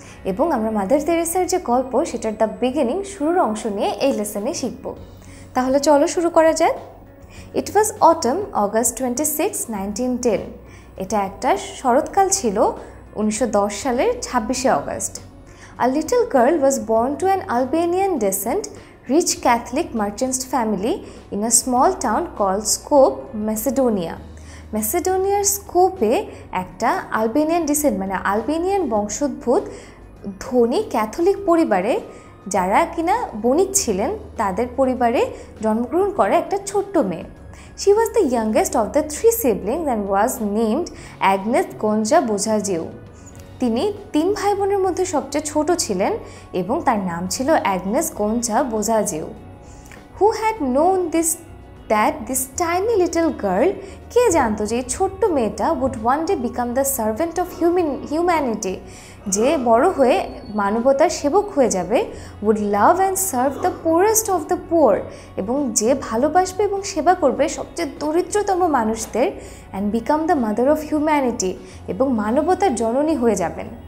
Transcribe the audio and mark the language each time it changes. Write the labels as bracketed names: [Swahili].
[Bangla] এবং আমরা মাদার তেরেসার যে গল্প সেটার দ্য বিগিনিং শুরুর অংশ নিয়ে এই লেসনে শিখব। তাহলে চলো শুরু করা যাক। [English] It was autumn, August 26, 1910। [Bangla] এটা একটা শরৎকাল ছিল, 1910 সালের 26শে August. [English] A little girl was born to an Albanian descent, rich Catholic merchant's family in a small town called Skopje, Macedonia. [Bangla] Macedonia's Skopje একটা Albanian descent, মানে Albanian বংশোদ্ভূত ধনী ক্যাথলিক পরিবারে, যারা কিনা বণিক ছিলেন, তাদের পরিবারে জন্মগ্রহণ করে একটা ছোট্ট মেয়ে। [English] She was the youngest of the three siblings and was named Agnes Gonja Bozhajeu. [Bangla] তিনি তিন ভাই বোনের মধ্যে সবচেয়ে ছোট ছিলেন এবং তার নাম ছিল Agnes গোঞ্জা বোঝাজিউ। [English] who had known this tiny little girl, [Bangla] কে জানতো যে এই ছোট্ট মেয়েটা [English] would one day become the servant of humanity, [Bangla] যে বড় হয়ে মানবতার সেবক হয়ে যাবে, [English] would love and serve the poorest of the poor, [Bangla] এবং যে ভালোবাসবে এবং সেবা করবে সবচেয়ে দরিদ্রতম মানুষদের, [English] and become the mother of humanity, [Bangla] এবং মানবতার জননী হয়ে যাবেন।